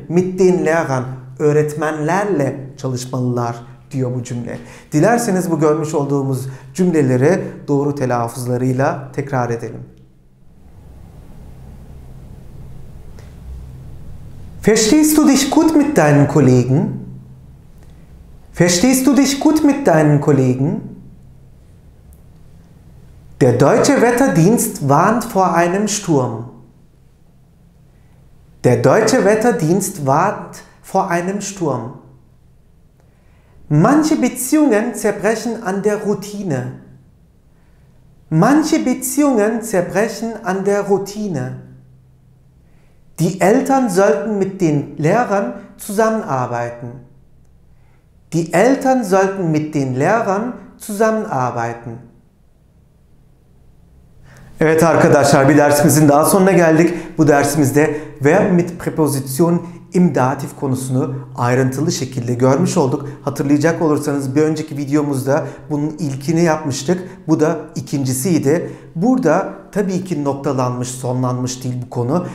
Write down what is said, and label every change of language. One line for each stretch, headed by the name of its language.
German: Mit den Lehrern,
Turkish: öğretmenlerle çalışmalılar diyor bu cümle. Dilerseniz bu görmüş olduğumuz cümleleri doğru telaffuzlarıyla tekrar edelim.
German: Verstehst du dich gut mit deinen Kollegen? Verstehst du dich gut mit deinen Kollegen? Der deutsche Wetterdienst warnt vor einem Sturm. Der deutsche Wetterdienst warnt vor einem Sturm. Manche Beziehungen zerbrechen an der Routine. Manche Beziehungen zerbrechen an der Routine. Die Eltern sollten mit den Lehrern zusammenarbeiten. Die Eltern sollten mit den Lehrern zusammenarbeiten.
Turkish: Evet arkadaşlar, bir dersimizin daha sonuna geldik. Bu dersimizde
German: verb mit Präposition im Dativ
Turkish: konusunu ayrıntılı şekilde görmüş olduk. Hatırlayacak olursanız bir önceki videomuzda bunun ilkini yapmıştık. Bu da ikincisiydi. Burada tabii ki noktalanmış, sonlanmış değil bu konu.